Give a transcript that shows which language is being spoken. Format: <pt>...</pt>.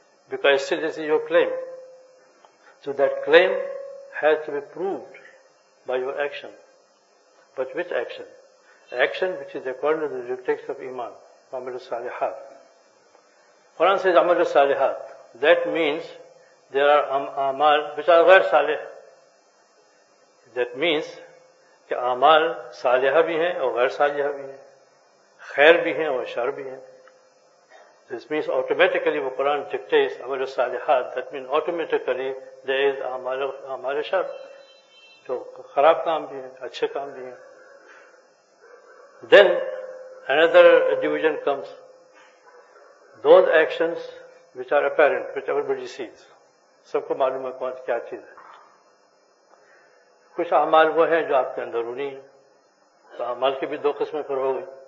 <en>Because still this is your claim. So that claim has to be proved by your action. But which action? Action which is according to the dictates of Iman. Amal al-Salihat. Quran says Amal al-Salihat. That means there are amal which are ghair salih. That means</en> <ur>کہ اعمال صالحہ بھی ہیں اور غیر صالحہ بھی ہیں, خیر بھی ہیں اور شر بھی ہیں.</ur> <en>This means automatically</en> <ur>وہ قرآن</ur> <en>dictates عمل الصالحات. That means automatically there is</en> <ur>اعمال شر, تو خراب کام بھی ہیں اچھے کام بھی ہیں.</ur> <en>Then another division comes. Those actions which are apparent, which everybody sees.</en> <ur>سب کو معلوم ہے کون کیا چیز ہے. کچھ اعمال وہ ہیں جو آپ کے اندرونی ہیں, تو اعمال کی بھی دو قسمیں پھر ہو گئی.</ur>